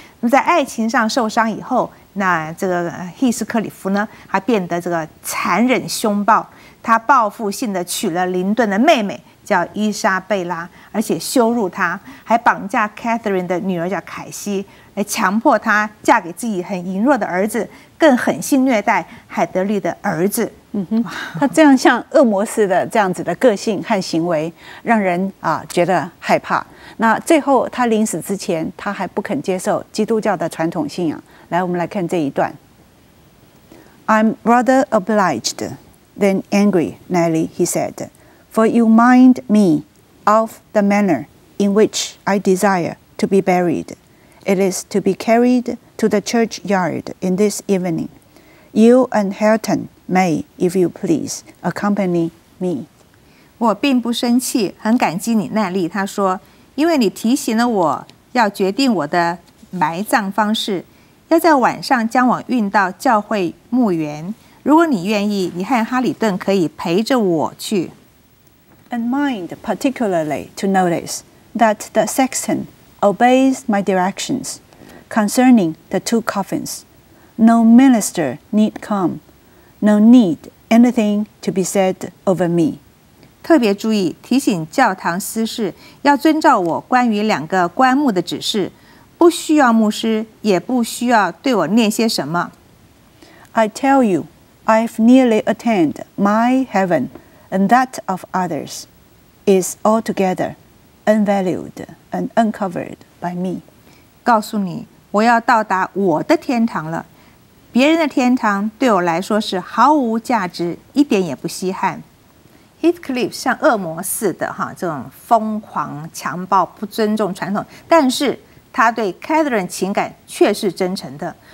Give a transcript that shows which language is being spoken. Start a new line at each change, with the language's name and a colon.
Chinese: 那在爱情上受伤以后，那这个希斯克里夫呢，他变得这个残忍凶暴，他报复性的娶了林顿的妹妹叫伊莎贝拉，而且羞辱她，还绑架 Catherine 的女儿叫凯西，来强迫她嫁给自己很羸弱的儿子，更狠心虐待海德利的儿子。他这样像恶魔似的这样子的个性和行为让人觉得害怕。那最后他临死之前他还不肯接受基督教的传统信仰。来，我们来看这一段。
English: I'm rather obliged than angry, Nelly, he said, for you mind me of the manner in which I desire to be buried. It is to be carried to the churchyard in this evening. You and Hilton may, if you please, accompany me.
Chinese: 我并不生气，很感激你，奈利，他说，因为你提醒了我要决定我的埋葬方式，要在晚上将我运到教会墓园。如果你愿意，你和哈里顿可以陪着我去。
English: And mind particularly to notice that the sexton obeys my directions concerning the two coffins. No minister need come. No need anything to be said over me.
Chinese: 特别注意提醒教堂司事要遵照我关于两个棺木的指示，不需要牧师，也不需要对我念些什么。
English: I tell you, I've nearly attained my heaven, and that of others is altogether unvalued and uncovered by me.
Chinese: 告诉你，我要到达我的天堂了。别人的天堂对我来说是毫无价值，一点也不稀罕。 Heathcliff 像恶魔似的哈，这种疯狂、强暴、不尊重传统，但是他对 Catherine 情感却是真诚的。